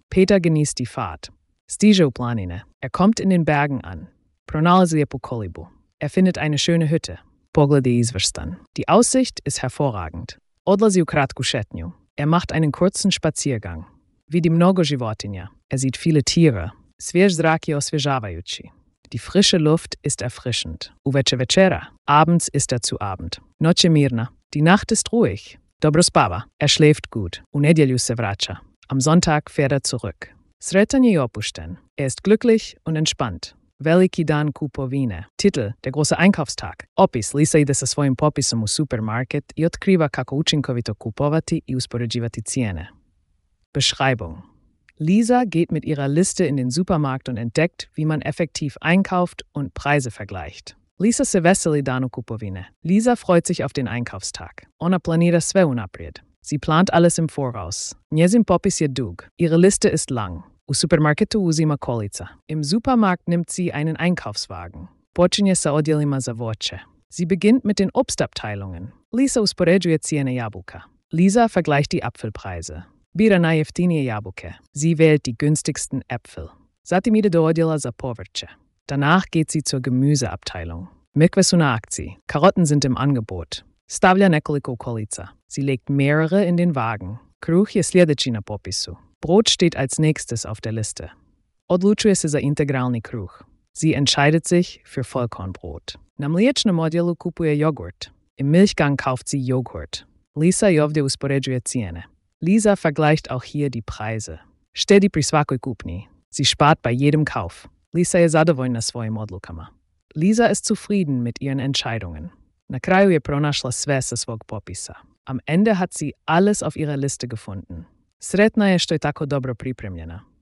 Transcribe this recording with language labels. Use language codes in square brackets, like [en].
[de] Peter genießt die Fahrt. [hr] Stiže u planine. [de] Er kommt in den Bergen an. [hr] Pronalazi je po kolibu. [de] Er findet eine schöne Hütte. [hr] Poglede izvrstan. [de] Die Aussicht ist hervorragend. [hr] Odlazi u kratku šetnju. [de] Er macht einen kurzen Spaziergang. [hr] Vidi mnogo životinja. [de] Er sieht viele Tiere. [hr] Svjež zrak je osvježavajući. [de] Die frische Luft ist erfrischend. [hr] Uveče večera. [de] Abends ist er zu Abend. [hr] Noće mirna. [de] Die Nacht ist ruhig. [hr] Dobro spava. [de] Er schläft gut. [hr] U nedjelju se vraća. [de] Am Sonntag fährt er zurück. [hr] Sretan je i opušten. [de] Er ist glücklich und entspannt. [hr] Veliki dan kupovine. [de] Titel: Der große Einkaufstag. [hr] Opis: Lisa ide sa svojim popisom u supermarket i otkriva kako učinkovito kupovati i uspoređivati cijene. [de] Beschreibung: Lisa geht mit ihrer Liste in den Supermarkt und entdeckt, wie man effektiv einkauft und Preise vergleicht. [hr] Lisa se veseli danu kupovine. [de] Lisa freut sich auf den Einkaufstag. [hr] Ona planira sve unaprijed. [de] Sie plant alles im Voraus. [hr] Njezin popis je dug. [de] Ihre Liste ist lang. [hr] U supermarketu uzima kolica. [de] Im Supermarkt nimmt sie einen Einkaufswagen. [hr] Počinje sa odjelima za voće. [de] Sie beginnt mit den Obstabteilungen. [hr] Lisa uspoređuje cijene jabuka. [de] Lisa vergleicht die Apfelpreise. [hr] Bira najjeftinije jabuke. [de] Sie wählt die günstigsten Äpfel. [hr] Zatim ide do odjela za povrće. [de] Danach geht sie zur Gemüseabteilung. [hr] Mikve su na akciji. [de] Karotten sind im Angebot. [hr] Stavlja nekoliko u kolica. [de] Sie legt mehrere in den Wagen. [hr] Kruh je sljedeći na popisu. [de] Brot steht als nächstes auf der Liste. [hr] Odlučuje se za integralni kruh. [de] Sie entscheidet sich für Vollkornbrot. [hr] Na mliječnom odjelu kupuje jogurt. [de] Im Milchgang kauft sie Joghurt. [hr] Lisa i ovdje uspoređuje cijene. [de] Lisa vergleicht auch hier die Preise. [hr] Štedi pri svakoj kupni. [de] Sie spart bei jedem Kauf. [hr] Lisa je zadovoljna svojim odlukama. [de] Lisa ist zufrieden mit ihren Entscheidungen. [hr] Na kraju je pronašla sve sa svog popisa. [de] Am Ende hat sie alles auf ihrer Liste gefunden. [hr] Sretna je što je tako dobro pripremljena.